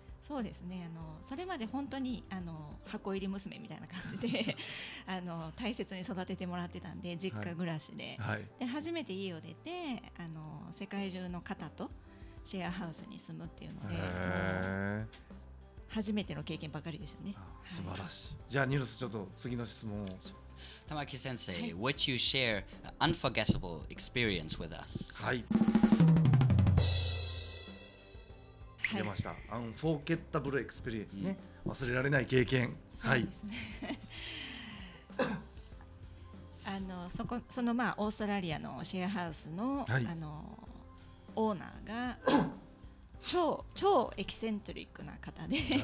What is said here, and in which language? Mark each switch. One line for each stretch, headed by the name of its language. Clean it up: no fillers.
Japanese: そうですね、あのそれまで本当にあの箱入り娘みたいな感じであの大切に育ててもらってたんで、実家暮らし で、はい、で初めて家を出てあの世界中の方とシェアハウスに住むっていうので、初めての経験ばかりでしたね。ああ素晴らしい、はい、じゃあニュルス、ちょっと次の質問を。
English: 玉木先生、はい、Would you share an unforgettable experience with us?
Japanese: はい、出ました、はい、
English: Unforgettable experience、
Japanese: ね、忘れられない経験。そうですね、はい、あの その、まあ、オーストラリアのシェアハウス の、はい、あのオーナーが超エキセントリックな方で